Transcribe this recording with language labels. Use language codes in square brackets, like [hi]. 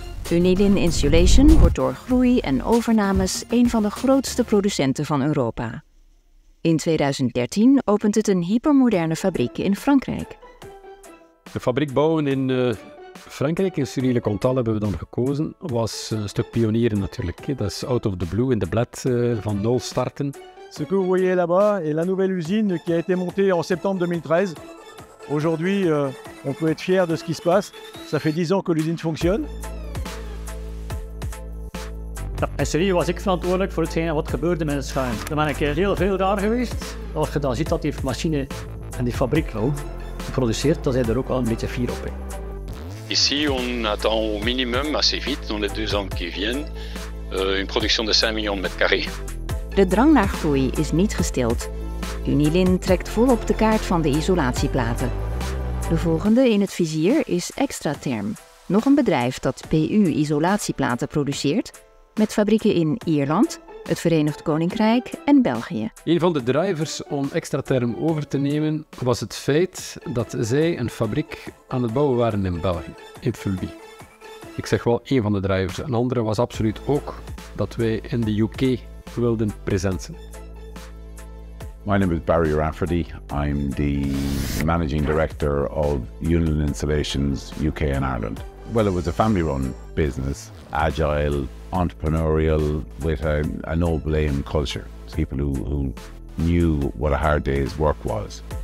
[nl] Unilin Insulation wordt door groei en overnames een van de grootste producenten van Europa. In 2013 opent het een hypermoderne fabriek in Frankrijk. De fabriek bouwen in Frankrijk, in Surrey-le-Comte hebben we dan gekozen, was een stuk pionieren natuurlijk. Dat is [en] out of the blue, [nl] in de bled, van nul starten. [fr] Ce que vous voyez là-bas est la nouvelle usine qui a été montée en septembre 2013. Aujourd'hui, on peut être fier de ce qui se passe. Ça fait 10 ans que l'usine fonctionne. [nl] In Surrey was ik verantwoordelijk voor hetgeen wat gebeurde met het schuim. Dan ben ik heel veel daar geweest. Als je dan ziet dat die machine en die fabriek produceert, dan zijn er ook wel een beetje fier op. [fr] Ici, on attend au minimum, assez vite, dans les 2 ans qui viennent, une production de 5 millions de mètres carrés. [nl] De drang naar groei is niet gestild. Unilin trekt volop de kaart van de isolatieplaten. De volgende in het vizier is Extraterm. Nog een bedrijf dat PU-isolatieplaten produceert, met fabrieken in Ierland, het Verenigd Koninkrijk en België. Een van de drivers om Extraterm over te nemen was het feit dat zij een fabriek aan het bouwen waren in België, in Fulby. Ik zeg wel één van de drivers. Een andere was absoluut ook dat wij in de UK wilden present zijn. [en] My name is Barry Rafferty. I'm the managing director of Unilin Insulations UK and Ireland. Well, it was a family-run business, agile, entrepreneurial, with a no-blame culture. People who knew what a hard day's work was.